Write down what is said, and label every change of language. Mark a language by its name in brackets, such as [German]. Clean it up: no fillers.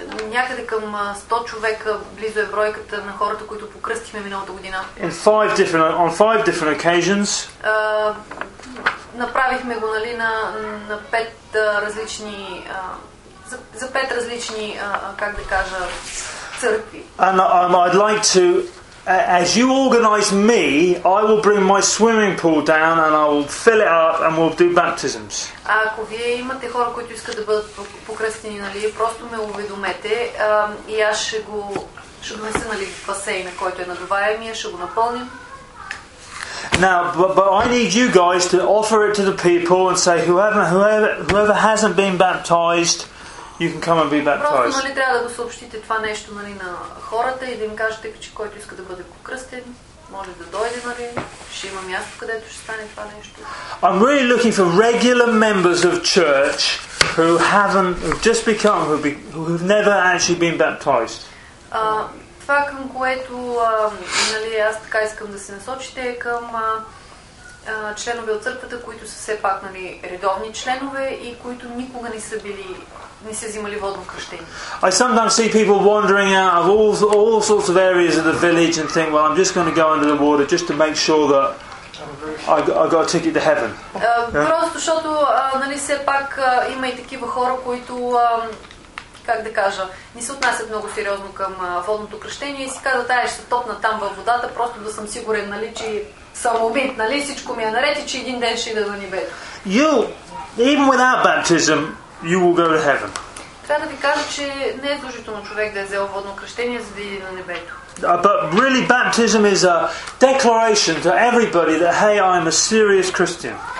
[Bulgarian] Някъде към 100 човека близо е бройката на хората, които покръстихме миналата година. [English] On five different occasions. [Bulgarian] Направихме го, нали, на пет различни за пет различни как да кажа църкви. [English] And I'd like to, as you organize me, I will bring my swimming pool down and I will fill it up and we'll do baptisms. [Bulgarian] Ако вие имате хора, които искат да бъдат покръстени, нали, просто ме уведомете и аз ще го внеса, нали, в басейна, който е надуваем, и ще го напълним. [English] Now, but I need you guys to offer it to the people and say whoever hasn't been baptized, you can come and be baptized. [Bulgarian] Просто, нали, трябва да го съобщите това нещо, нали, на хората и да им кажете, че който иска да бъде покръстен, може да дойде, нали, ще има място, където ще стане това нещо. [English] I'm really looking for regular members of church who haven't, who've never actually been baptized. [Bulgarian] Това, към което, нали, аз така искам да се насочите, е към членове от църквата, които са все пак, нали, редовни членове и които никога не са били, не са взимали водно кръщение. [English] I sometimes see people wandering out of all sorts of areas of the village and think, well, I'm just going to go under the water just to make sure that I got a ticket to heaven. [Bulgarian] Просто, защото, нали, все пак има и такива хора, които, как да кажа, не се отнасят много сериозно към водното кръщение и си казват, ай, ще топна там във водата, просто да съм сигурен, нали, че съм убит, нали, всичко ми е наред и че един ден ще ида на небето. [English] You, even without baptism, you will go to heaven. [Bulgarian] Трябва да ви кажа, че не е дължително човек да е взел водно кръщение, за да иди на небето. [English] But really, baptism is a declaration to everybody that, hey, I'm a serious Christian.